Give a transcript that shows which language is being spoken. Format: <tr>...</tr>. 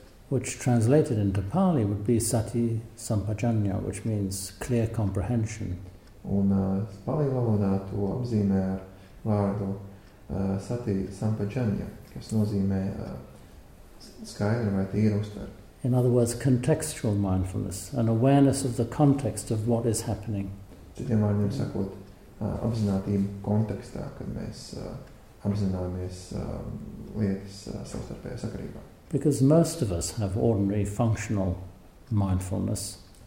<en>Which translated into Pali would be sati sampajanya, which means clear comprehension.</en> <lv>Un Pali valodā to apzīmē ar vārdu sati sampajanya, kas nozīmē skaidru vai tīru uztveri.</lv> <en>In other words, contextual mindfulness, an awareness of the context of what is happening.</en> <lv>Citiem vārdiem sakot, apzinātība kontekstā, kad mēs apzināmies lietas savstarpējā sakarībā.</lv> <en>Because most of us have ordinary functional mindfulness.</en>